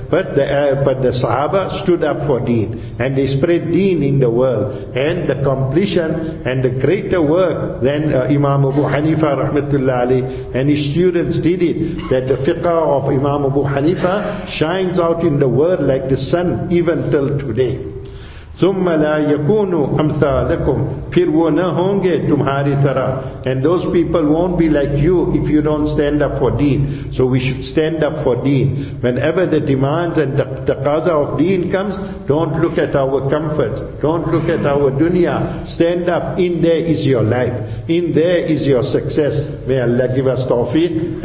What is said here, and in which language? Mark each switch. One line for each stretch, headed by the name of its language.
English: But the Sahaba stood up for deen and they spread deen in the world. And the completion and the greater work than Imam Abu Hanifa rahmatullah alayhi and his students did it, that the fiqh of Imam Abu Hanifa shines out in the world like the sun even till today.
Arabic: ثُمَّ لَا يَكُونُ أَمْثَالَكُمْ.
Urdu: پھر وہ نہ ہوں گے تمہاری طرح.
English: And those people won't be like you if you don't stand up for deen. So we should stand up for deen. Whenever the demands and the taqaza of deen comes, don't look at our comforts. Don't look at our dunya. Stand up. In there is your life. In there is your success. May Allah give us tawfiq.